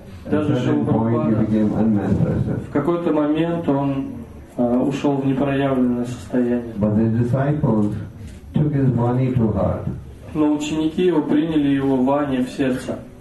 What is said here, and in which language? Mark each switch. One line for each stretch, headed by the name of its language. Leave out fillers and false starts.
Russian: даже Шрила Прабхупада в какой-то момент он ушел в непроявленное состояние.
English: But the disciples took his money to heart.
Russian: Но ученики его приняли его вани в сердце.